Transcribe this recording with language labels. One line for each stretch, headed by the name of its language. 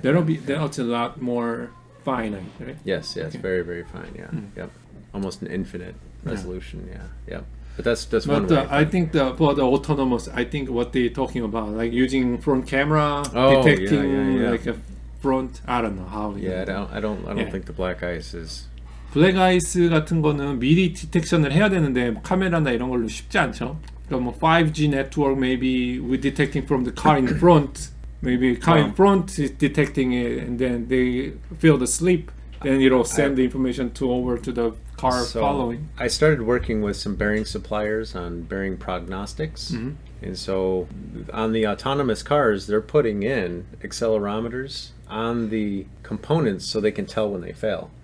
English: That'll be that's a lot more finite, right? Yes. Yes. Okay. Very, very fine. Yeah. Mm. Yep. Almost an infinite resolution. Yeah. Yep. But that's but one way. I think for the autonomous, I think what they're talking about, like using front camera detecting, like a front. I don't know how. I don't think the black ice is.
Korean: 블랙아이스 같은 거는 미리 디텍션을 해야 되는데 카메라나 이런 걸로 쉽지 않죠. 그럼 5G 네트워크
English: maybe we detecting from the car in front. Maybe car in front is detecting it and then they feel the sleep. Then it'll send the information to over to the car so following. I started working with some bearing suppliers on bearing prognostics. Mm-hmm. And so on the autonomous cars, they're putting in accelerometers on the components so they can tell when they fail.